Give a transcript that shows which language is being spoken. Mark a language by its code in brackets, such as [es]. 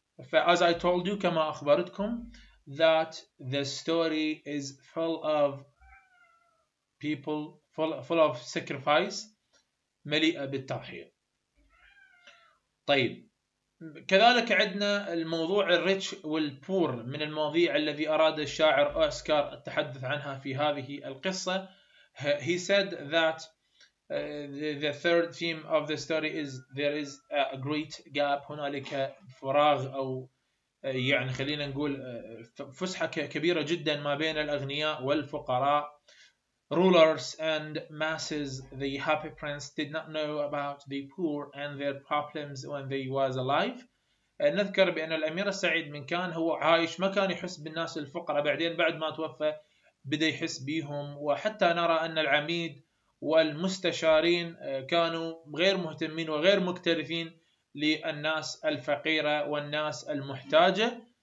[en] فas I told you، [ar] كما أخبرتكم، [en] that the story is full of people, full of sacrifice، [ar] مليئة بالتضحية. طيب، كذلك عندنا الموضوع الريتش والبور، من المواضيع الذي أراد الشاعر أوسكار التحدث عنها في هذه القصة. [en] He said that the third theme of the story is there is a great gap، [ar] هنالك فراغ، أو يعني خلينا نقول فسحة كبيرة جدا ما بين الأغنياء والفقراء. [en] Rulers and masses, the happy prince did not know about the poor and their problems when they was alive. [ar] نذكر بأن الأمير السعيد من كان هو عايش ما كان يحس بالناس الفقراء، بعدين بعد ما توفى بدأ يحس بيهم. وحتى نرى أن العميد والمستشارين كانوا غير مهتمين وغير مكترثين للناس الفقيرة والناس المحتاجة.